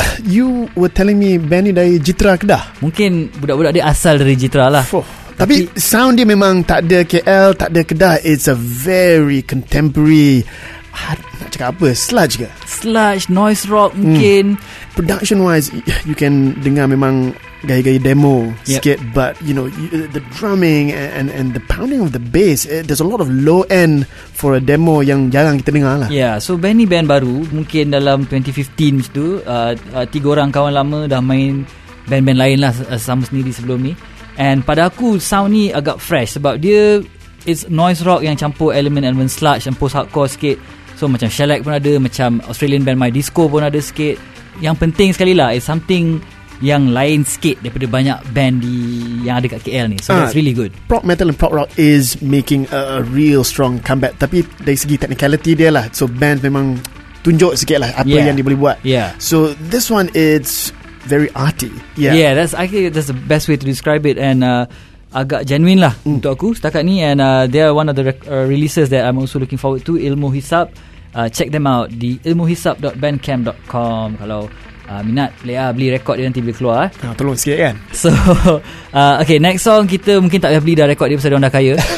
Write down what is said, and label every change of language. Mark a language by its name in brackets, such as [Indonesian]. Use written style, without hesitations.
[English] You were telling me [Malay] band ni dari [English] Jitra Kedah. [Malay] Mungkin budak-budak dia asal dari Jitra lah. Tapi sound dia memang tak ada KL, tak ada Kedah. [English] It's a very contemporary, [Malay] nak cakap apa, [English] sludge ke? Sludge, noise rock mungkin. Production wise, you can [Malay] dengar memang gaya-gaya demo sikit, [English] but you know, the drumming and the pounding of the bass, there's a lot of low end for a demo [Malay] yang jarang kita dengar lah. Yeah, so band ni band baru, mungkin dalam 2015 macam tu. Tiga orang kawan lama dah main band-band lain lah sama sendiri sebelum ni. And pada aku, sound ni agak fresh sebab dia [English] it's noise rock [Malay] yang campur elemen-elemen [English] sludge and post-hardcore sikit. [Malay] So macam Shellac pun ada, macam Australian band My Disco pun ada sikit. Yang penting sekali lah, [English] it's something [Malay] yang lain sikit daripada banyak band di yang ada kat KL ni. [English] So that's really good. Prog metal and prog rock is making a real strong comeback. [Malay] Tapi dari segi technicality dia lah, so band memang tunjuk sikit lah apa yang dia boleh buat. [English] Yeah. So this one it's very arty. Yeah. Yeah, that's, I think that's the best way to describe it. [Malay] And agak genuine lah untuk aku setakat ni. [English] And they are one of the releases that I'm also looking forward to, Ilmu Hisap. Check them out di ilmuhisap.bandcamp.com [Malay] kalau minat. Boleh beli rekod dia nanti bila keluar. Tolong sikit kan. [English] So okay, next song [Malay] kita mungkin tak payah beli dah rekod dia pasal dia orang dah kaya.